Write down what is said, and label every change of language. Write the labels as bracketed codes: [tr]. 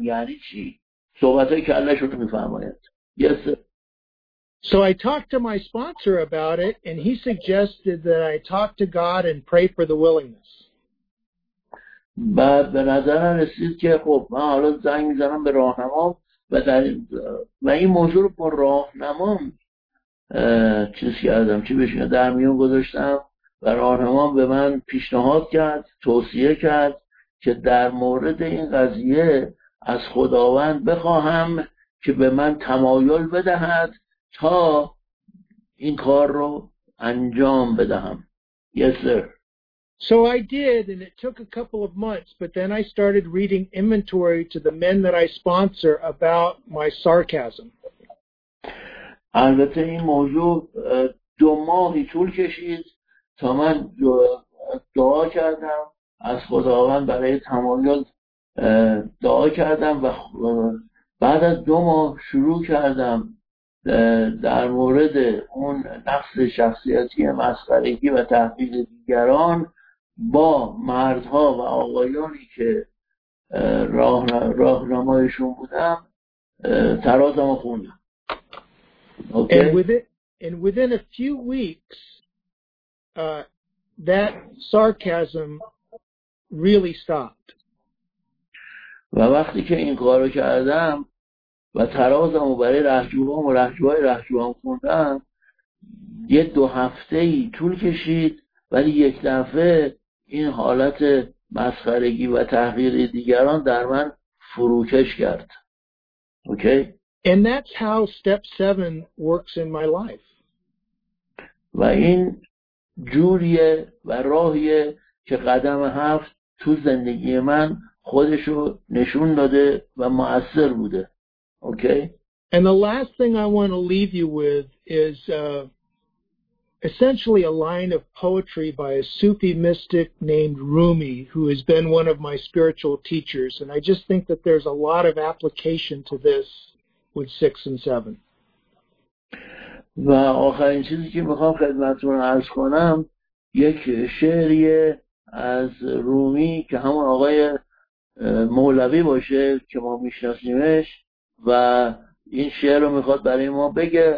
[fa] یعنی چی؟ صحبتهای کلشون رو میفرماید. [en] Yes, sir. So I talked to my sponsor about it and he suggested that I talk to God and pray for the willingness. [fa] بعد به نظر من رسید که خب من حالا زنگ میزنم به راهنمام و این موضوع رو با راهنمام چیز کردم، چی بشه در میون گذاشتم و راهنمام به من پیشنهاد کرد، توصیه کرد که در مورد این قضیه از خداوند بخواهم که به من تمایل بدهد تا این کار رو انجام بدهم. [en] Yes, sir. So I did, and it took a couple of months, but then I started reading inventory to the men that I sponsor about my sarcasm. [fa] البته این موضوع دو ماهی طول کشید تا من دعا کردم از خداوند برای تمایل دعا کردم و بعد از دو ماه شروع کردم در مورد اون نقص شخصیتی مسخرگی و تحقیر دیگران با مردها و آقایانی که راهنمایشون بودم ترازم خوندم. [en] Okay. And within a few weeks, that sarcasm really stopped. [fa] و وقتی که این کارو کردم و ترازمو برای رهجوهام و رهجوهای رهجوهام خوندم، یه دو هفته‌ای طول کشید ولی یک دفعه این حالت مسخرگی و تحقیر دیگران در من فروکش کرد. [en] Okay. And that's how step 7 works in my life. [fa] و این جوریه و راهیه که قدم 7 تو زندگی من خودشو نشون داده و مؤثر بوده. [en] Okay. And the last thing I want to leave you with is essentially a line of poetry by a Sufi mystic named Rumi, who has been one of my spiritual teachers, and I just think that there's a lot of application to this with 6 and 7. [fa] و آخرین چیزی که میخوام خدمتتون عرض کنم یک شعریه از رومی که همون آقای مولوی باشه که ما میشناسیمش و این شعر رو میخواد برای ما بگه.